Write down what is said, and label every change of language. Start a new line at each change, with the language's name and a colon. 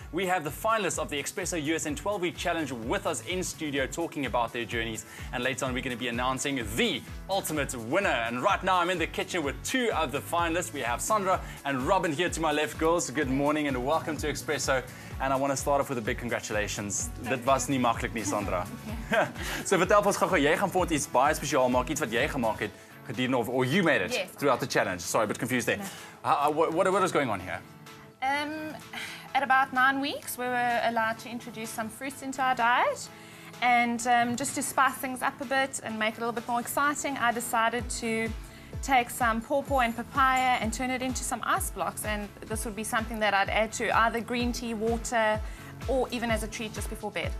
English: We have the finalists of the Espresso USN 12-week challenge with us in studio talking about their journeys. And later on, we're going to be announcing the ultimate winner. And right now, I'm in the kitchen with two of the finalists. We have Sandra and Robyn here to my left. Girls, good morning and welcome to Espresso. And I want to start off with a big congratulations.
Afrikaans: Dit was nie maklik nie, Sandra. So vertel ons gou-gou, jy gaan vir ons iets baie spesiaal maak, iets wat jy gemaak het gedurende
English: of you made it throughout the challenge. Sorry, but confused there. What is going on here? At about 9 weeks, we were allowed to introduce some fruits into our diet, and just to spice things up a bit and make it a little bit more exciting, I decided to take some pawpaw and papaya and turn it into some ice blocks, and this would be something that I'd add to either green tea, water, or even as a treat just before bed.